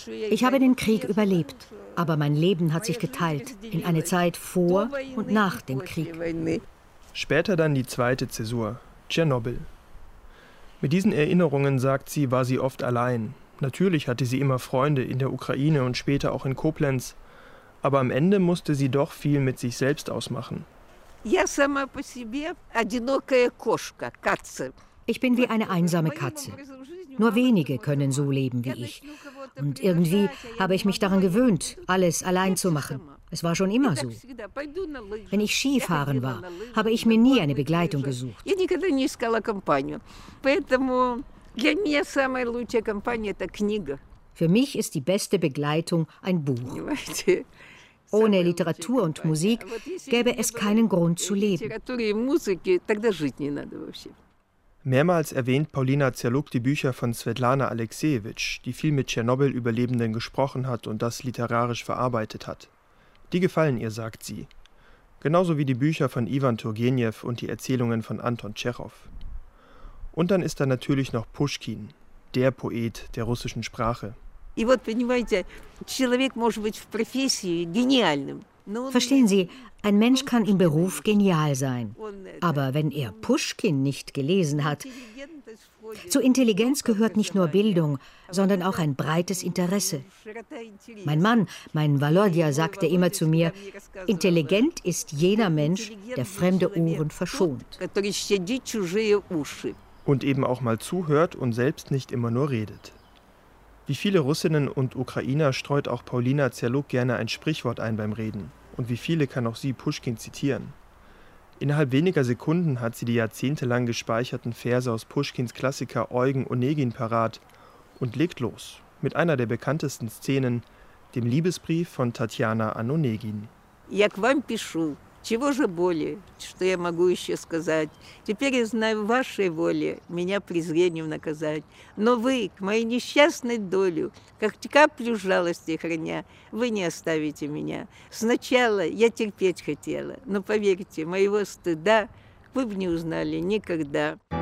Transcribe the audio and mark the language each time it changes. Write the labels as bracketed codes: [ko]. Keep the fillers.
[de] Ich habe den Krieg überlebt, aber mein Leben hat sich geteilt in eine Zeit vor und nach dem Krieg. Später dann die zweite Zäsur, Tschernobyl. Mit diesen Erinnerungen, sagt sie, war sie oft allein. Natürlich hatte sie immer Freunde in der Ukraine und später auch in Koblenz, aber am Ende musste sie doch viel mit sich selbst ausmachen. [ru] Я сама по себе одинокая кошка, каца. [de] Ich bin wie eine einsame Katze. Nur wenige können so leben wie ich. Und irgendwie habe ich mich daran gewöhnt, alles allein zu machen. Es war schon immer so. Wenn ich Skifahren war, habe ich mir nie eine Begleitung gesucht. [ru] Я никогда не искала компанию. Поэтому для меня самая лучшая компания – это книга. [de] Für mich ist die beste Begleitung ein Buch. [ru] Понимаете? [de] Ohne Literatur und Musik gäbe es keinen Grund zu leben. [ru] Литературы и музыки тогда жить не надо вообще. [de] Mehrmals erwähnt Paulina Zerluk die Bücher von Svetlana Alexejewitsch, die viel mit Tschernobyl-Überlebenden gesprochen hat und das literarisch verarbeitet hat. Die gefallen ihr, sagt sie. Genauso wie die Bücher von Ivan Turgenew und die Erzählungen von Anton Tschechow. Und dann ist da natürlich noch Puschkin, der Poet der russischen Sprache. [ru] И вот, понимаете, человек может быть в профессии гениальным, но он [de] Verstehen Sie, ein Mensch kann im Beruf genial sein, aber wenn er Puschkin nicht gelesen hat, zur Intelligenz gehört nicht nur Bildung, sondern auch ein breites Interesse. Mein Mann, mein Volodya, sagte immer zu mir, intelligent ist jener Mensch, der fremde Ohren verschont. [ru] который щадит чужие уши. [de] und eben auch mal zuhört und selbst nicht immer nur redet. Wie viele Russinnen und Ukrainer streut auch Paulina Zerluk gerne ein Sprichwort ein beim Reden. Und wie viele kann auch sie Puschkin zitieren? Innerhalb weniger Sekunden hat sie die jahrzehntelang gespeicherten Verse aus Puschkins Klassiker Eugen Onegin parat und legt los mit einer der bekanntesten Szenen, dem Liebesbrief von Tatjana an Onegin. [ru] Я к вам пишу. Чего же более, что я могу еще сказать? Теперь я знаю в вашей воле меня презрением наказать. Но вы, к моей несчастной долю, как каплю жалости храня, вы не оставите меня. Сначала я терпеть хотела, но поверьте, моего стыда вы бы не узнали никогда.